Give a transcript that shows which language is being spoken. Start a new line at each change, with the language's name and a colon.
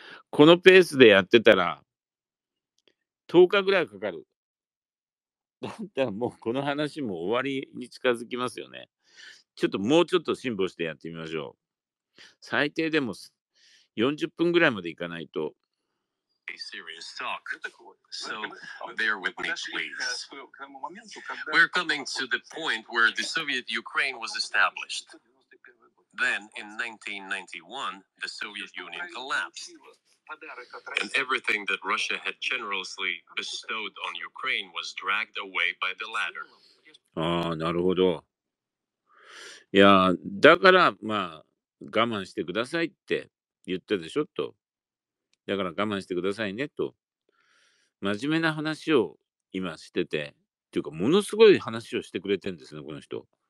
Japanese: このペースでやってたら、10日ぐらいかかる。だったらもうこの話も終わりに近づきますよね。ちょっともうちょっと辛抱してやってみましょう。最低でも40分ぐらいまでいかないと。
English: Serious talk. So bear with me, please. We're coming to the point where the Soviet Ukraine was established. Then in 1991, the Soviet Union collapsed. And everything that Russia had generously bestowed on Ukraine was dragged away by the latter.
Japanese: Ah, なるほど。いや、だからまあ我慢してくださいって言ったでしょと。だから我慢してくださいねと。真面目な話を今してて、っていうかものすごい話をしてくれてるんですね、この人。